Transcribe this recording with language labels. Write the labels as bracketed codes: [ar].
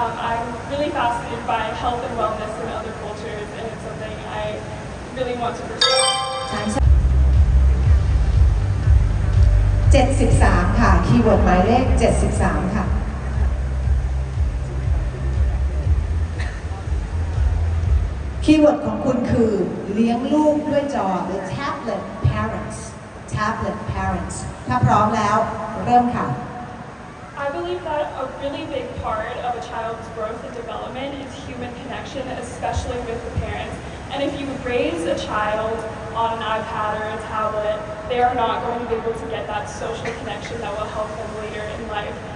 [en] I'm really fascinated by health and wellness in other cultures, and it's something I really want to pursue. [th] 73ค่ะ keyword หมายเลข73ค่ะคีย์เวิร์ดของคุณคือเลี้ยงลูกด้วยจอหรือ [en] tablet parents tablet parents [th] ถ้าพร้อมแล้วเริ่มค่ะ [en] I believe that a really big part of a child's growth and development is human connection, especially with the parents. And if you raise a child on an iPad or a tablet, they are not going to be able to get that social connection that will help them later in life.